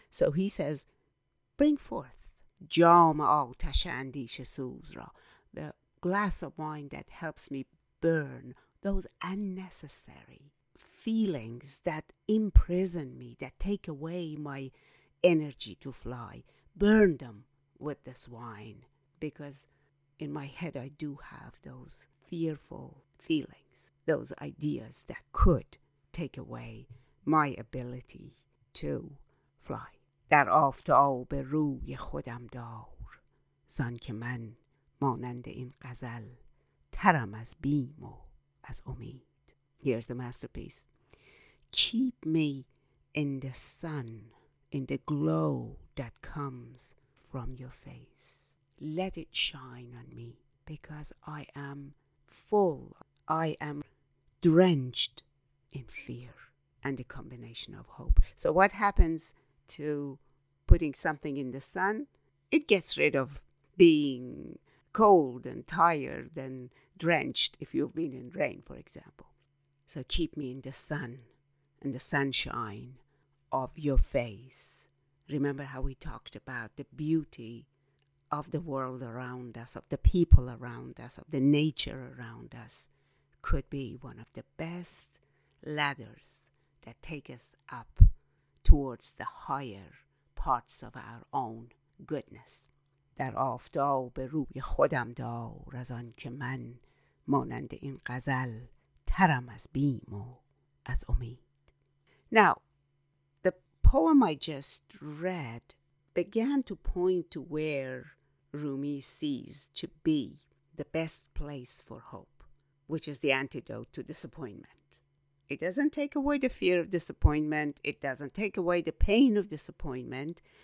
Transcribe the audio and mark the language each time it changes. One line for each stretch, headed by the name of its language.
English: So he says, bring forth jam
Persian: آتش اندیش سوز را,
English: the glass of wine that helps me burn those unnecessary feelings that imprison me, that take away my energy to fly. Burn them with this wine, because in my head I do have those fearful feelings, those ideas that could take away my ability to fly.
Persian: در آفتاب روی خودم دار زن که من مانند این غزل ترم از بیم و از امید.
English: Here's the masterpiece. Keep me in the sun, in the glow that comes from your face. Let it shine on me, because I am full. I am drenched in fear and a combination of hope. So what happens to putting something in the sun? It gets rid of being cold and tired and drenched if you've been in rain, for example. So keep me in the sun and the sunshine of your face. Remember how we talked about the beauty of the world around us, of the people around us, of the nature around us, could be one of the best ladders that take us up towards the higher parts of our own goodness.
Persian: در آفتاب روی خودم دار از آن که من مانند این غزل ترم از بیم و از امید.
English: Now, the poem I just read began to point to where Rumi sees to be the best place for hope, which is the antidote to disappointment. It doesn't take away the fear of disappointment. It doesn't take away the pain of disappointment.